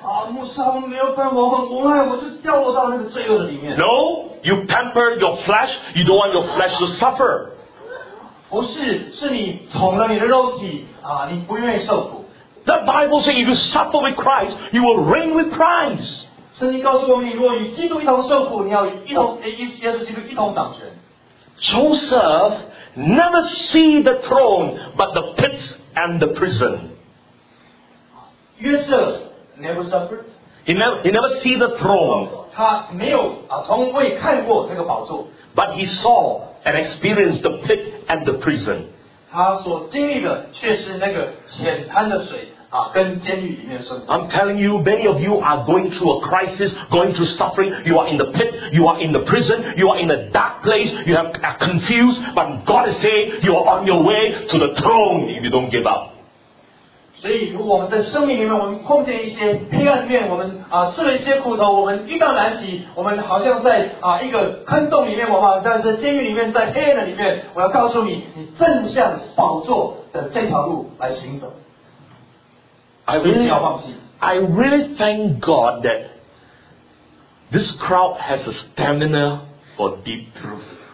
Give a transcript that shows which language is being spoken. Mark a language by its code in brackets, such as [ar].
[zh] 牧师，我没有办法，我就掉落到那个罪恶的里面。 [en] No, you pamper your flesh. You don't want your flesh to suffer. [zh] 不是，是你宠了你的肉体你不愿意受苦。 [en] The Bible says, if you suffer with Christ, you will reign with Christ. [zh] 圣经告诉我们，你如果与基督一同受苦，你要一同耶稣基督一同掌权。 [en] Joseph never see the throne, but the pits and the prison. 约瑟 never suffered. He never see the throne. [zh] 他没有从未看过那个宝座。 [en] But he saw and experienced the pit and the prison. [zh] 他所经历的却是那个浅滩的水 [en] I'm telling you, many of you are going through a crisis, going through suffering. You are in the pit, you are in the prison, you are in a dark place, you are confused, but God is saying you are on your way to the throne if you don't give up. [zh] 所以如果我们的生命里面，我们碰见一些黑暗面，我们吃了一些苦头，我们遇到难题，我们好像在一个坑洞里面，我们好像在监狱里面，在黑暗的里面。我要告诉你，你正向宝座的这条路来行走。 [en] I really thank God that this crowd has a stamina for deep truth.